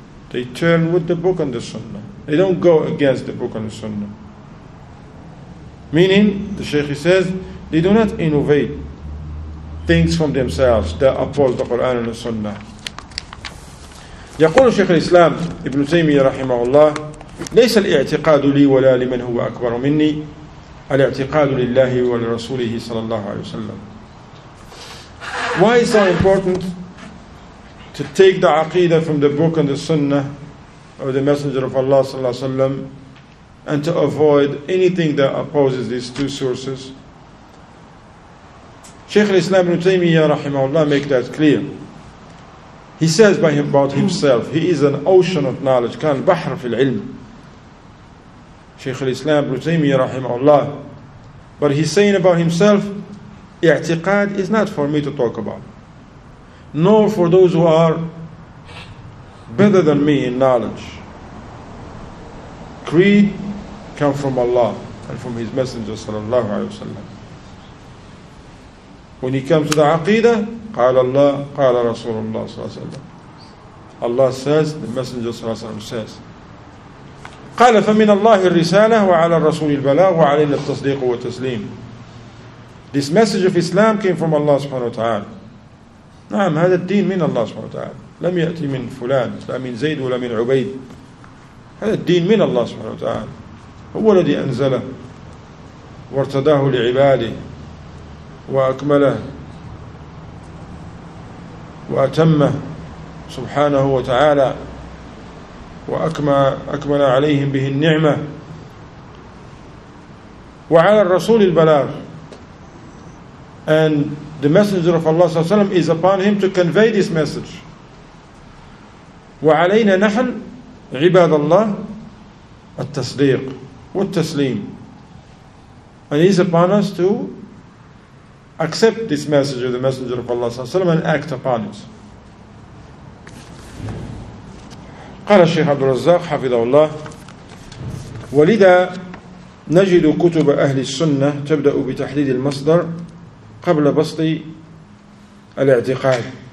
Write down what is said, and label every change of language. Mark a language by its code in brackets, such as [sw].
[en] They turn with the book and the sunnah. They don't go against the book and the sunnah. Meaning, the Shaykh says, they do not innovate things from themselves that uphold the Quran and the Sunnah. [ar] يقول شيخ الإسلام ابن تيمية رحمه الله ليس الاعتقاد لي ولا لمن هو أكبر مني الاعتقاد لله ولرسوله صلى الله عليه وسلم. [en] Why is it so important to take the aqidah from the book and the sunnah of the messenger of Allah صلى الله عليه وسلم and to avoid anything that opposes these two sources? Shaykh al-Islam ibn Taymiyyah rahimahullah make that clear. He says by him about himself, he is an ocean of knowledge. [ar] كان بحر في العلم. Shaykh al-Islam ibn Taymiyyah rahimahullah. [en] But he's saying about himself, اعتقاد is not for me to talk about. Nor for those who are better than me in knowledge. Creed comes from Allah and from His Messenger sallallahu alayhi wa sallam. When he comes to the aqidah, [ar] قال الله قال رسول الله صلى الله عليه وسلم. [en] Allah says, the Messenger صلى الله عليه وسلم says. [ar] قال فمن الله الرسالة وعلى الرسول البلاغ وعلينا التصديق والتسليم. This message of Islam came from Allah سبحانه وتعالى. نعم هذا الدين من الله سبحانه وتعالى. لم يأتي من فلان، لا من زيد ولا من عبيد. هذا الدين من الله سبحانه وتعالى. هو الذي أنزله وارتداه لعباده. وأكمله وأتمه سبحانه وتعالى وأكمل عليهم به النعمة. وعلى الرسول البلاغ. [en] And the messenger of Allah صلى الله عليه وسلم is upon him to convey this message. [ar] وعلينا نحن عباد الله التصديق والتسليم. [en] And he is upon us to accept this message of the Messenger of Allah صلى الله عليه وسلم and act upon it. [ar] قال الشيخ عبد الرزاق حفظه الله ولذا نجد كتب أهل السنة تبدأ بتحديد المصدر قبل بسط الاعتقاد.